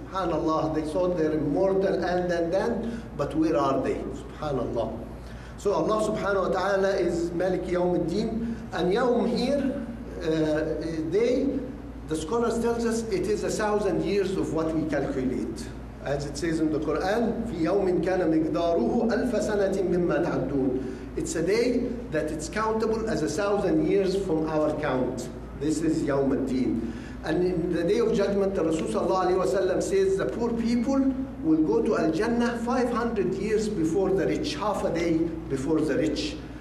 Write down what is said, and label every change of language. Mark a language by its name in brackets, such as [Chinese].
[English] Subhanallah, they thought they're immortal and, but where are they? Subhanallah. So Allah subhanahu wa ta'ala is Malik Yawmuddin. And Yawm here, the scholars tell us it is 1,000 years of what we calculate. As it says in the Quran, [Arabic] في يوم كان مقداره ألف سنة مما تعدون. [English] It's a day that it's countable as 1,000 years from our count. This is Yawm al-Din. And in the day of judgment, the Rasul sallallahu alayhi wa sallam says the poor people will go to Al-Jannah 500 years before the rich, half a day before the rich.